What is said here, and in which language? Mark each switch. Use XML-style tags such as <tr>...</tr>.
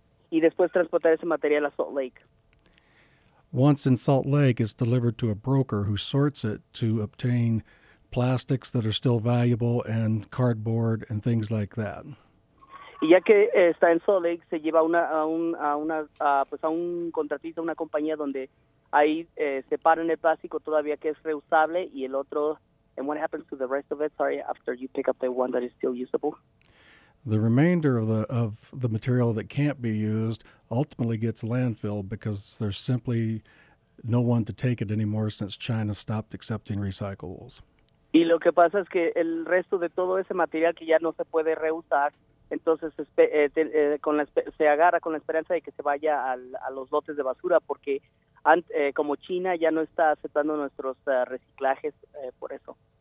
<es>Y después transportar ese material a Salt Lake.</es> <en>Once in Salt Lake, it's delivered to a broker who sorts it to obtain plastics that are still valuable and cardboard and things like that.</en> <es>Y ya que está en Salt Lake, se lleva a un contratista, una compañía donde ahí separan el plástico todavía que es reusable y el otro.</es> <en>And what happens to the rest of it? Sorry, after you pick up the one that is still usable. The remainder of the material that can't be used ultimately gets landfilled because there's simply no one to take it anymore since China stopped accepting recyclables.</en> <es>Y lo que pasa es que el resto de todo ese material que ya no se puede reusar, entonces se agarra con la esperanza de que se vaya a los lotes de basura porque como China ya no está aceptando nuestros reciclajes por eso.</es>